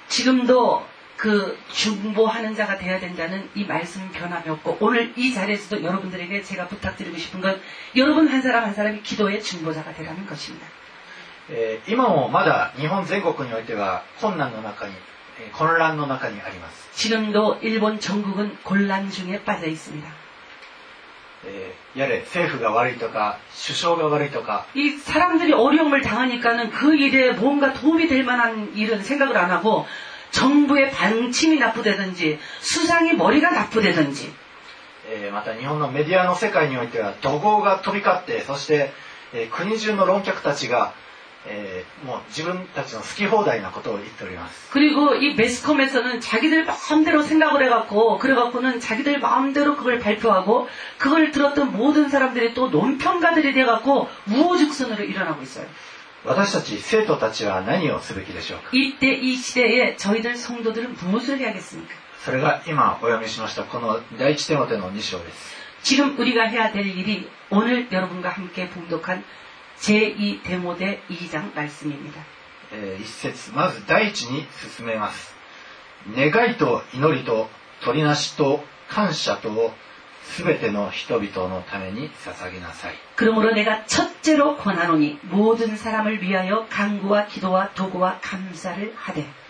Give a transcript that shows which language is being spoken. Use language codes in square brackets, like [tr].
[ko] 지금도그중보하는자가되어야된다는이말씀변함이없고오늘이자리에서도여러분들에게제가부탁드리고싶은건여러분한사람한사람이기도의중보자가되라는것입니다 [ja] 今もまだ日本全国においては困難の中に混乱の中にあります [ko] 지금도일본전국은곤란중에빠져있습니다 [ja] やれ政府が悪いとか首相が悪いとか [ko] 이사람들이어려움을당하니까는그일에뭔가도움이될만한일은생각을안하고정부의방침이나쁘다든지수상의머리가나쁘다든지 [ja] また日本のメディアの世界においては怒号が飛び交ってそして国中の論客たちがもう自分たちの好き放題なことを言っております [ko] 그리고이매스컴에서는자기들마음대로생각을해갖고그래갖고는자기들마음대로그걸발표하고그걸들었던모든사람들이또논평가들이돼갖고우호죽순으로일어나고있어요 [ja] 私たち生徒たちは何をすべきでしょうか [ko] 이때이시대에저희들성도들은무엇을해야겠습니까 [ja] それが今お読みしましたこの第一テモテの2章です [ko] 지금우리가해야될일이오늘여러분과함께봉독한제2테모데2장말씀입니다 [ja] 1節まず第一に進めます願いと祈りと取りなしと感謝とすべての人々のために捧げなさい。 [ko] 그러므로내가첫째로권하노니모든사람을위하여간구와기도와도구와감사를하되。